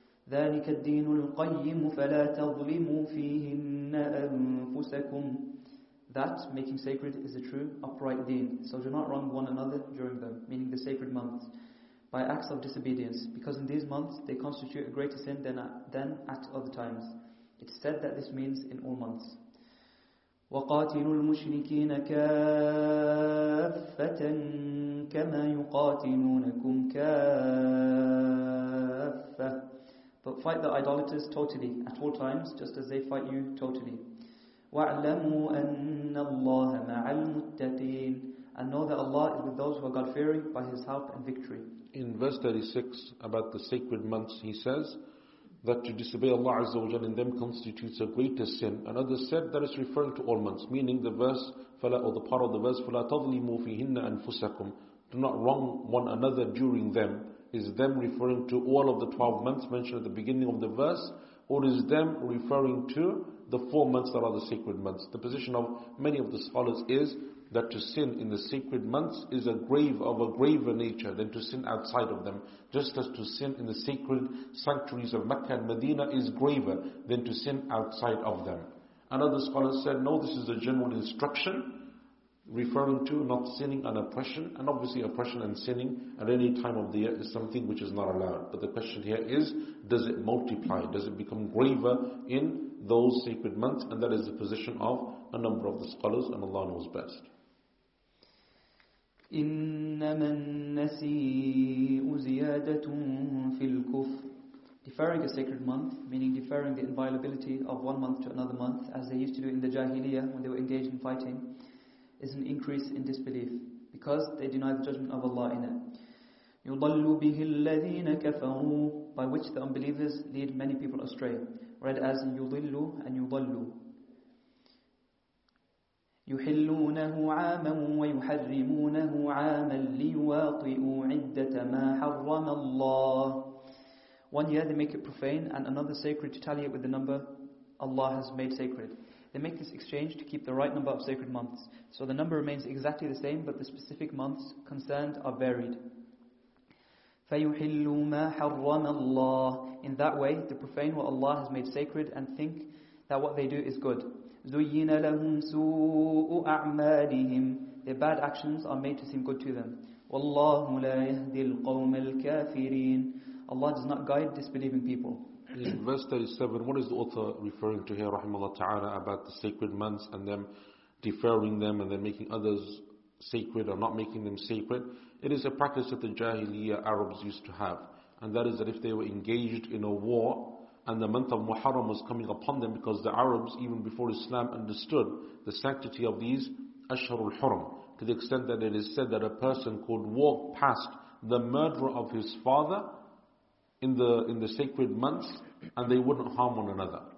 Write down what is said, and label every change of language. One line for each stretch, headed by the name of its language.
Arabic: ذَلِكَ الدِّينُ الْقَيِّمُ فَلَا تَظْلِمُوا فِيهِنَّ أَنفُسَكُمْ.
English: That, making sacred, is a true, upright deen, so do not wrong one another during them, meaning the sacred months, by acts of disobedience, because in these months they constitute a greater sin than at other times. It is said that this means in all months.
Arabic: وقاتلوا المشركين كافة كما يقاتلونكم كافة.
English: But fight the idolaters totally at all times, just as they fight you totally.
Arabic: واعلموا أن الله مع المتقين.
English: And know that Allah is with those who are God-fearing by His help and victory. In verse 36, about the sacred months, he says that to disobey Allah Azza wa Jalla in them constitutes a greater sin. And others said that it's referring to all months, meaning the verse, or the part of the verse,
Arabic: فَلَا تَظْلِمُوا فِيهِنَّ أَنفُسَكُمْ.
English: Do not wrong one another during them. Is them referring to all of the 12 months mentioned at the beginning of the verse, or is them referring to the 4 months that are the sacred months? The position of many of the scholars is that to sin in the sacred months is of a graver nature than to sin outside of them. Just as to sin in the sacred sanctuaries of Mecca and Medina is graver than to sin outside of them. Another scholar said, no, this is a general instruction referring to not sinning and oppression. And obviously oppression and sinning at any time of the year is something which is not allowed. But the question here is, does it multiply? Does it become graver in those sacred months? And that is the position of a number of the scholars, and Allah knows best.
Arabic: إنما النسيء زيادة في الكفر.
English: Deferring a sacred month, meaning deferring the inviolability of one month to another month, as they used to do in the Jahiliyyah when they were engaged in fighting, is an increase in disbelief because they deny the judgment of Allah in it.
Arabic: يضل به الذين كفروا,
English: by which the unbelievers lead many people astray, read as يضل and يضل.
Arabic: يحلونه عاما ويحرمونه عاما ليواطئوا عدة ما حرم الله.
English: One year they make it profane and another sacred to tally it with the number Allah has made sacred. They make this exchange to keep the right number of sacred months. So the number remains exactly the same, but the specific months concerned are varied.
Arabic: فيحلوا ما حرم الله.
English: In that way they profane what Allah has made sacred and think that what they do is good.
Arabic: زين لهم سوء أعمالهم.
English: Their bad actions are made to seem good to them.
Arabic: والله لا يهدي القوم الكافرين.
English: Allah does not guide disbelieving people. In verse 37, what is the author referring to here, rahimahullah ta'ala, about the sacred months and them deferring them and then making others sacred or not making them sacred? It is a practice that the Jahiliyyah Arabs used to have. And that is that if they were engaged in a war, and the month of Muharram was coming upon them, because the Arabs, even before Islam, understood the sanctity of these Ashharul Hurum, to the extent that it is said that a person could walk past the murderer of his father in the sacred months, and they wouldn't harm one another.